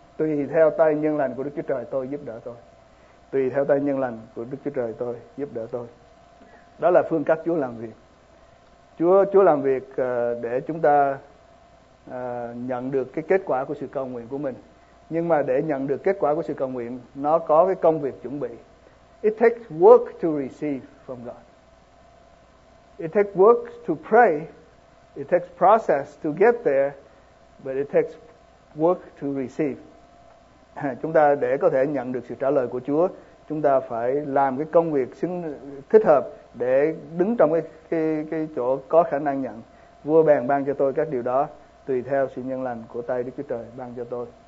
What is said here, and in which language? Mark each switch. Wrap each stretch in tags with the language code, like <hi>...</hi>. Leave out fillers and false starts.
<vi>Tùy theo tay nhân lành của Đức Chúa Trời tôi giúp đỡ tôi. Tùy theo tay nhân lành của Đức Chúa Trời tôi giúp đỡ tôi. Đó là phương cách Chúa làm việc. Chúa làm việc để chúng ta nhận được cái kết quả của sự cầu nguyện của mình. Nhưng mà để nhận được kết quả của sự cầu nguyện, nó có cái công việc chuẩn bị.</vi> <en>It takes work to receive from God. It takes work to pray. It takes process to get there. But it takes work to receive.</en> <vi>Chúng ta để có thể nhận được sự trả lời của Chúa, chúng ta phải làm cái công việc thích hợp để đứng trong cái chỗ có khả năng nhận. Vua bèn ban cho tôi các điều đó, tùy theo sự nhân lành của tay Đức Chúa Trời ban cho tôi.</vi>